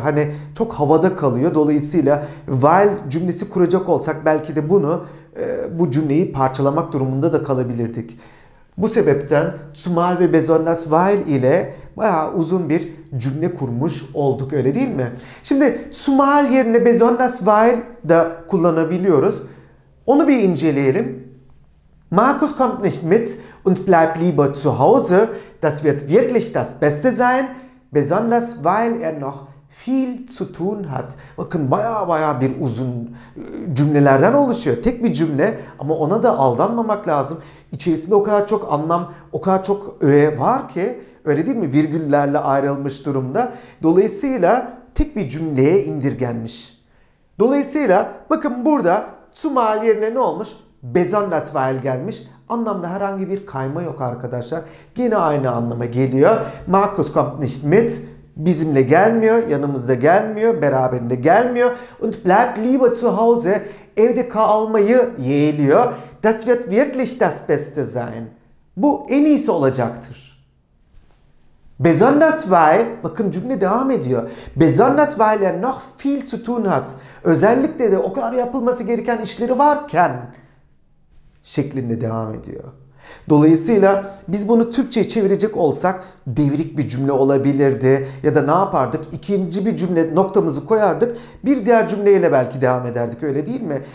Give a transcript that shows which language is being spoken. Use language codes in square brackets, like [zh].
[tr] Hani çok havada kalıyor. Dolayısıyla while cümlesi kuracak olsak belki de bunu, bu cümleyi parçalamak durumunda da kalabilirdik. Bu sebepten zumal ve besonders while ile bayağı uzun bir cümle kurmuş olduk, öyle değil mi? Şimdi zumal yerine besonders while da kullanabiliyoruz. Onu bir inceleyelim. [de] Markus kommt nicht mit und bleibt lieber zu Hause. Das wird wirklich das Beste sein. Besonders weil er noch viel zu tun hat. [tr] Bakın baya baya bir uzun cümlelerden oluşuyor. Tek bir cümle ama ona da aldanmamak lazım. İçerisinde o kadar çok anlam, o kadar çok öğe var ki, öyle değil mi? Virgüllerle ayrılmış durumda. Dolayısıyla tek bir cümleye indirgenmiş. Dolayısıyla bakın burada zumal yerine ne olmuş? Besonders weil gelmiş. Anlamda herhangi bir kayma yok arkadaşlar. Gene aynı anlama geliyor. [de] Markus kommt nicht mit. [tr] Bizimle gelmiyor. Yanımızda gelmiyor. Beraberinde gelmiyor. [de] Und bleibt lieber zu Hause. [tr] Evde kalmayı yeğliyor. [de] Das wird wirklich das Beste sein. [tr] Bu en iyisi olacaktır. Besonders weil, bakın cümle devam ediyor. [de] Besonders weil er noch viel zu tun hat. [tr] Özellikle de o kadar yapılması gereken işleri varken şeklinde devam ediyor. Dolayısıyla biz bunu Türkçe'ye çevirecek olsak devrik bir cümle olabilirdi. Ya da ne yapardık? İkinci bir cümle noktamızı koyardık. Bir diğer cümleyle belki devam ederdik, öyle değil mi?